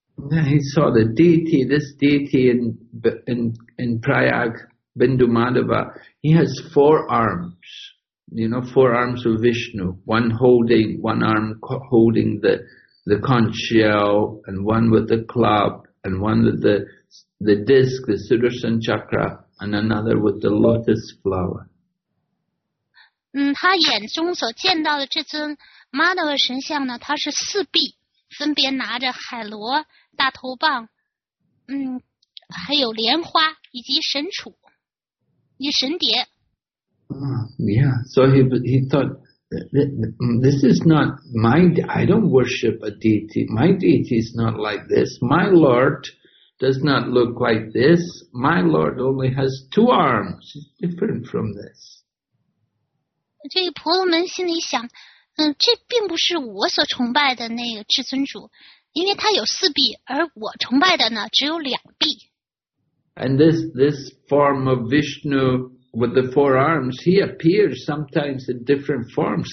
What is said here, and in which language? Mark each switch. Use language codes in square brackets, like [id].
[en] Yeah, he saw the deity, this deity in Prayag, Bindu Madhava, he has four arms, you know, four arms of Vishnu, one arm holding the conch shell, and one with the club, and one with the disc, the Sudarshan Chakra, and another with the lotus flower. [zh] 他眼中所见到的这尊 Madhava 神像呢，他是四臂，分别拿着海螺、大头棒，还有莲花以及神杵，以及神碟。 [en] Yeah, so he thought, this is not my, I don't worship a deity. My deity is not like this. My Lord does not look like this. My Lord only has two arms. It's different from this. [zh] 这个婆罗门心里想，这并不是我所崇拜的那个至尊主。因为他有四臂，而我崇拜的呢只有两臂。 [en] And this form of Vishnu with the four arms, he appears sometimes in different forms.